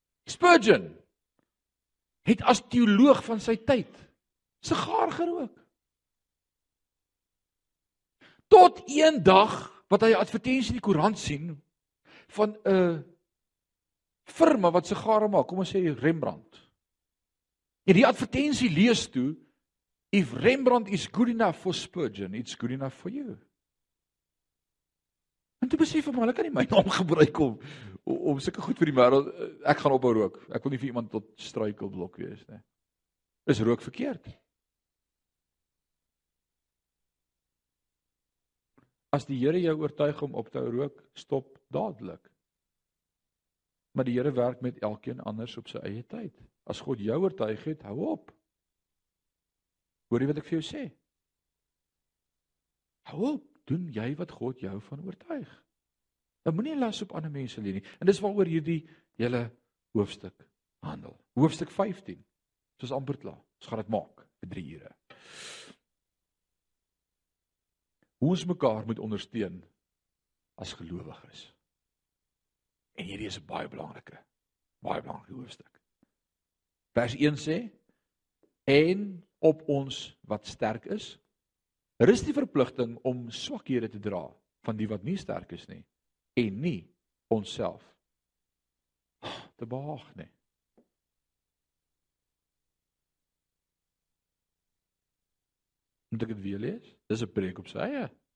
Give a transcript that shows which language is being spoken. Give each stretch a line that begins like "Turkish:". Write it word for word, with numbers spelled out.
Afrikaans: Spurgeon het as teoloog van sy tyd sigaar gerook. Tot een dag wat hy 'n advertensie in die koerant sien van 'n firma wat sigare maak, kom ons sê Rembrandt. En die advertensie lees toe,
English: if Rembrandt is good enough for Spurgeon, it's good enough for you.
Afrikaans: En toe besef ek maar, hulle kan nie my naam gebruik om om, om sulke goed vir die wêreld. Ek gaan ophou rook. Ek wil nie vir iemand tot struikelblok wees nie. Is rook verkeerd? As die Here jou oortuig om op te hou rook, stop dadelik. Maar die Here werk met elkeen anders op sy eie tyd. As God jou oortuig het, hou op. Hoor jy wat ek vir jou sê? Hou op, doen jy wat God jou van oortuig. Dan moenie las op ander mense lê nie. En dis waaroor hierdie hele hoofstuk handel. Hoofstuk vyftien. Ons is amper klaar. Ons gaan dit maak vir drie ure. Hoe ons mekaar moet ondersteun as gelowiges. En hierdie is 'n baie belangrike, baie belangrike hoofstuk. Vers een sê en op ons wat sterk is, Daar is die verpligting om swakhede te dra van die wat nie sterk is nie en nie onsself te behaag nie. Moet ek dit weer lees? Dis 'n preek op sy eie.